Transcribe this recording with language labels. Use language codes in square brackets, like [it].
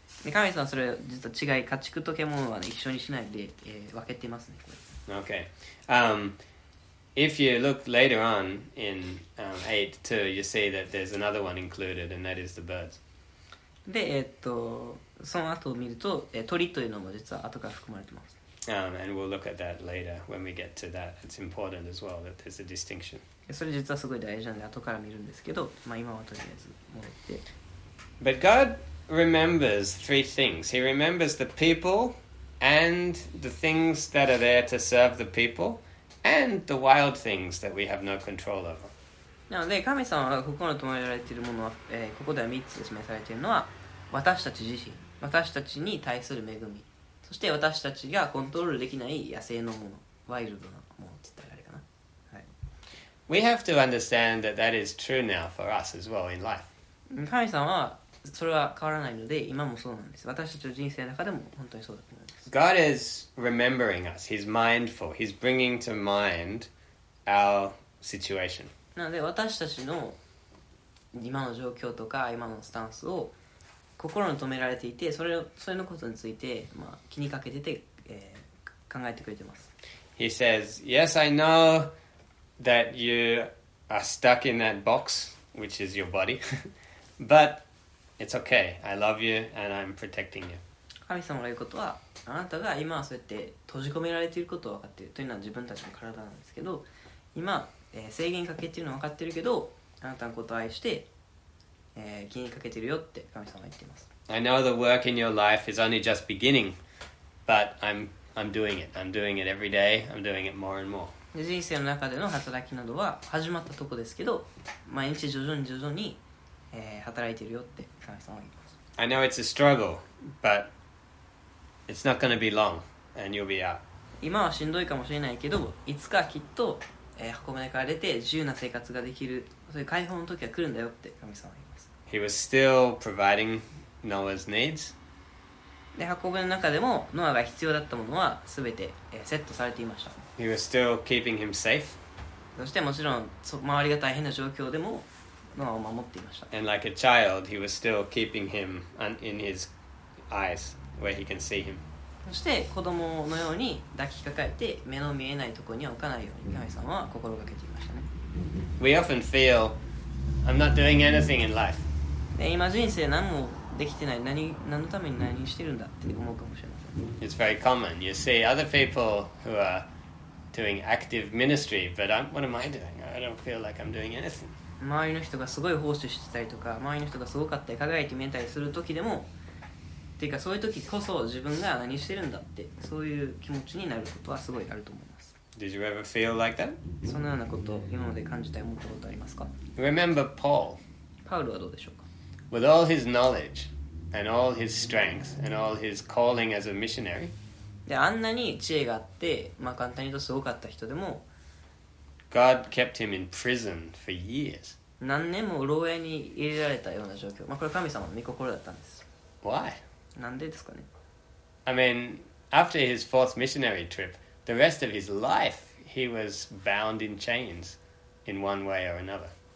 [ja] 神様はそれ実は違い、家畜と獣は、ね、一緒にしないで、分けてますね。これ [en] OK、If you look later on in 8-2, you see that there's another one included, and that is the birds. [ja] で、その後を見ると、鳥というのも実は後から含まれてます。 [en] And we'll look at that later when we get to that. It's important as well that there's a distinction. [ja] それ実はすごい大事なんで、後から見るんですけど、まあ、今はとりあえず戻って。 [en] But Godremembers three things. He remembers the people and the things that are there to serve the people and the wild things that we have no control over. [ja] なので神様がここに留められているものは、ここでは3つ示されているのは私たち自身、私たちに対する恵み、そして私たちがコントロールできない野生のもの、ワイルドなものって言ったらあれかな、はい、 [en] We have to understand that that is true now for us as well in life. [ja] 神様はそれは変わらないので今もそうなんです。私たちの人生の中でも本当にそうだと思います。 [en] God is remembering us. He's mindful. He's bringing to mind our situation. [ja] なので私たちの今の状況とか今のスタンスを心に留められていて、それのことについて、まあ、気にかけてて、考えてくれてます。 [en] He says, "Yes, I know that you are stuck in that box, which is your body, but." It's okay. I love you, and I'm protecting you. [ja] 神様が言うことは、あなたが今はそうやって閉じ込められていることを分かっているというのは自分たちの体なんですけど、今、制限かけているのは分かっているけど、あなたのことを愛して、気にかけているよって神様が言っています。 [en] I know the work in your life is only just beginning, but I'm doing it. I'm doing it every day. I'm doing it more and more. [ja] 人生の中での働きなどは始まったとこですけど、毎日徐々に徐々に働いているよって神様は言います。 [en] I know it's a struggle, but it's not going to be long, and you'll be out. [ja] 今はしんどいかもしれないけど、いつかきっと、箱舟から出て自由な生活ができる、そういう解放の時は来るんだよって神様は言います。 [en] He was still providing Noah's needs. [ja] で、箱舟の中でもノアが必要だったものはすべて、セットされていました。 [en] He was still keeping him safe. [ja] そしてもちろん周りが大変な状況でも。ノアを守っていました。 [en] And like a child, he was still keeping him in his eyes, where he can see him. [ja] そして子供のように抱きかかえて目の見えないところには置かないように神様は心がけていましたね。 [en] We often feel, I'm not doing anything in life. [ja] 今人生何もできてない、何のために何してるんだって思うかもしれません。 [en] It's very common. You see other people who are doing active ministry, but what am I doing? I don't feel like I'm doing anything. [ja] 周りの人がすごい奉仕してたりとか、周りの人がすごかったり輝いて見えたりする時でも、っていうかそういう時こそ自分が何してるんだってそういう気持ちになることはすごいあると思います。 [en] Did you ever feel like that? [ja] そのようなことを今まで感じたり思ったことありますか [en] ？Remember Paul. [ja] パウルはどうでしょうか [en] ？With all his knowledge and all his strength and all his calling as a missionary. [ja] で、あんなに知恵があって、まあ簡単に言うとすごかった人でも。 [en] God kept him in prison for years. [ja] 何年も牢屋に入れられたような状況。まあこれ神様の御心だったんです。 [en] Why? [ja] なんでですかね。 [en] I mean, after his fourth missionary trip, the rest of his life, he was bound in chains in one way or another.